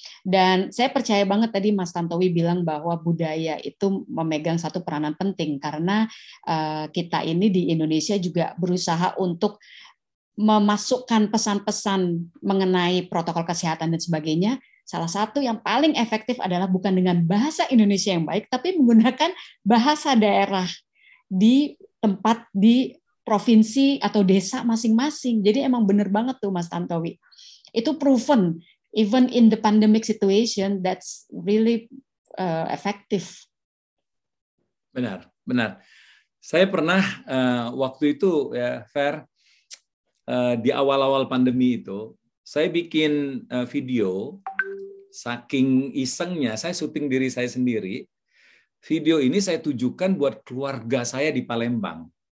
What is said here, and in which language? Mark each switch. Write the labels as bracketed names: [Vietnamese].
[Indonesian] Dan saya percaya banget tadi Mas Tantowi bilang bahwa budaya itu memegang satu peranan penting karena kita ini di Indonesia juga berusaha untuk memasukkan pesan-pesan mengenai protokol kesehatan dan sebagainya. Salah satu yang paling efektif adalah bukan dengan bahasa Indonesia yang baik, tapi menggunakan bahasa daerah di tempat di provinsi atau desa masing-masing. Jadi emang benar banget tuh Mas Tantowi. [English] Itu proven even in the pandemic situation, that's really effective. [Indonesian] Benar, benar. Saya pernah waktu itu ya Fer, di awal-awal pandemi itu, saya bikin video, saking isengnya saya syuting diri saya sendiri. Video ini saya tujukan buat keluarga saya di Palembang.